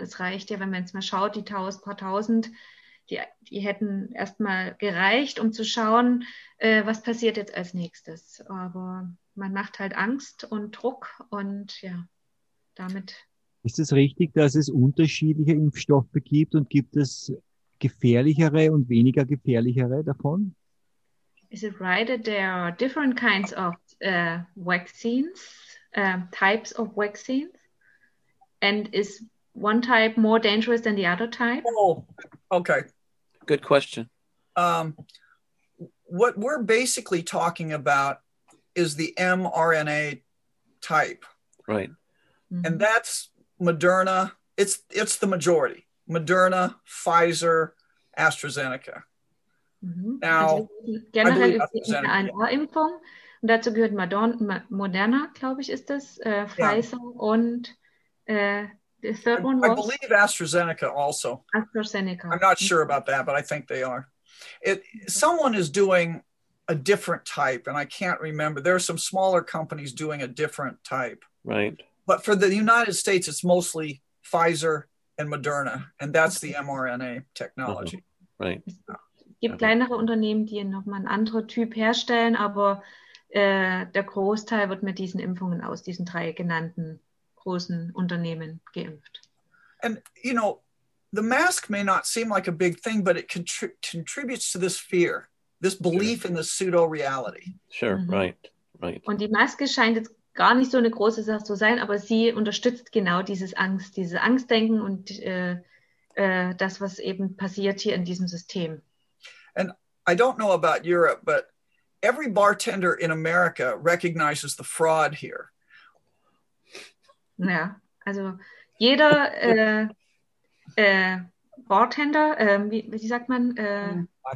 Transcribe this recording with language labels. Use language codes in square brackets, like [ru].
[de] Es reicht ja, wenn man jetzt mal schaut, die paar tausend, die hätten erstmal gereicht, um zu schauen, was passiert jetzt als nächstes. Aber man macht halt Angst und Druck und damit. Ist es richtig, dass es unterschiedliche Impfstoffe gibt und gibt es gefährlichere und weniger gefährlichere davon? [en] Is it right that there are different kinds of vaccines, types of vaccines? And is one type more dangerous than the other type? Oh, okay. Good question. What we're basically talking about is the mRNA type. Right. And that's Moderna, it's the majority. Moderna, Pfizer, AstraZeneca. [de] Mm-hmm. Now, generell mRNA-Impfung, und dazu gehört Moderna, glaube ich, ist das, Pfizer und [en] the third one was? I believe AstraZeneca also. AstraZeneca. I'm not sure about that, but I think they are. Someone is doing a different type, and I can't remember. There are some smaller companies doing a different type. Right. But for the United States, it's mostly Pfizer and Moderna, and that's the mRNA technology. Uh-huh. Right. [de] Es gibt kleinere Unternehmen, die nochmal einen anderen Typ herstellen, aber der Großteil wird mit diesen Impfungen aus diesen drei genannten großen Unternehmen geimpft. [en] And, you know, the mask may not seem like a big thing, but it contributes to this fear, this belief in the pseudo-reality. Sure, right, right. [de] Und die Maske scheint jetzt gar nicht so eine große Sache zu sein, aber sie unterstützt genau dieses Angstdenken und das, was eben passiert hier in diesem System. [en] And I don't know about Europe, but every bartender in America recognizes the fraud here. [de] Ja, also jeder Bartender, wie sagt man?